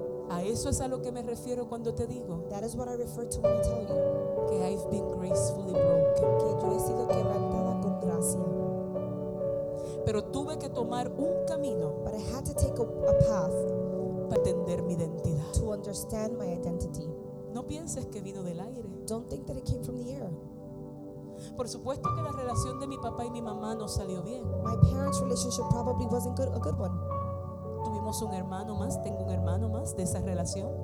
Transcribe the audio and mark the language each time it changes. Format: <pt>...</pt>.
<es>A eso es a lo que me refiero cuando te digo.</es> <en>That is what I refer to when I tell you. Que I've been gracefully broken.</en> <es>Que yo he sido quebrantada con gracia. Pero tuve que tomar un camino.</es> <en>But I had to take a path.</en> <es>Para entender mi identidad.</es> <en>To understand my identity.</en> <es>No pienses que vino del aire.</es> <en>Don't think that it came from the air.</en> <es>Por supuesto que la relación de mi papá y mi mamá no salió bien.</es> <en>My parents' relationship probably wasn't good, a good one.</en> <es>Tuvimos un hermano más, tengo un hermano más de esa relación.</es>